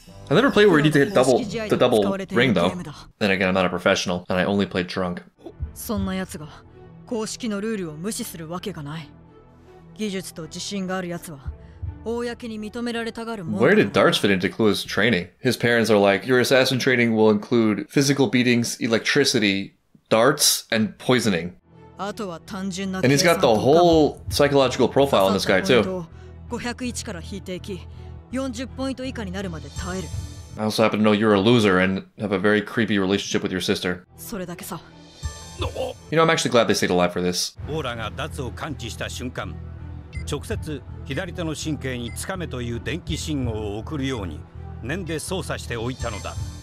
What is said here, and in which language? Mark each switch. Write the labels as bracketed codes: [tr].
[en] I've never played where you need to hit the double ring, though. Then again, I'm not a professional, and I only played drunk. [ja] そんな奴が公式のルールを無視するわけがない。技術と自信がある奴は公に認められたがるもの。 [en] Where did darts fit into Killua's training? His parents are like, your assassin training will include physical beatings, electricity, darts, and poisoning. [ja] あとは単純な。 [en] And he's got the whole psychological profile on this guy too. [ja] 501から引いていき、40ポイント以下になるまで耐える。 [en] I also happen to know you're a loser and have a very creepy relationship with your sister. [ja] それだけさ。 [en] You know, I'm actually glad they stayed alive for this. [ja] オーラが脱を感知した瞬間、直接左手の神経につかめという電気信号を送るように念で操作しておいたのだ。